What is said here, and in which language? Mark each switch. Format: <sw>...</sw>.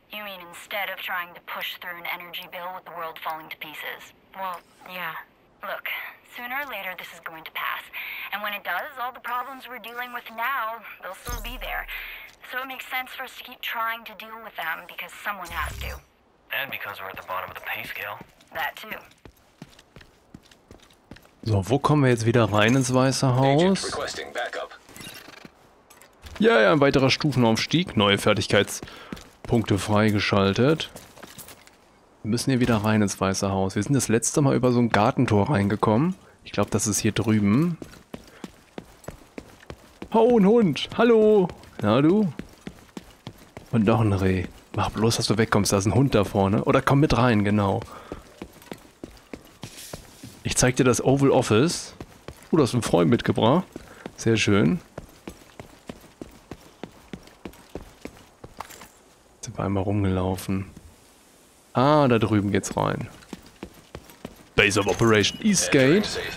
<en>You mean instead of trying to push through an energy bill with the world falling to pieces? Well, yeah. Look, sooner or later this is going to pass. And when it does, all the problems we're dealing with now, they'll still be there. So it makes sense for us to keep trying to deal with them, because someone has to. And because we're at the bottom of the pay scale. That too.</en> <de>So, wo kommen wir jetzt wieder rein ins Weiße Haus? Ja, ja, ein weiterer Stufenaufstieg. Neue Fertigkeitspunkte freigeschaltet. Wir müssen hier wieder rein ins Weiße Haus. Wir sind das letzte Mal über so ein Gartentor reingekommen. Ich glaube, das ist hier drüben. Oh, ein Hund. Hallo. Na, du? Und noch ein Reh. Mach bloß, dass du wegkommst. Da ist ein Hund da vorne. Oder komm mit rein, genau. Ich zeig dir das Oval Office. Du hast einen Freund mitgebracht. Sehr schön. Sind wir einmal rumgelaufen. Ah, da drüben geht's rein.</de> <en>Base of Operation Eastgate.</en>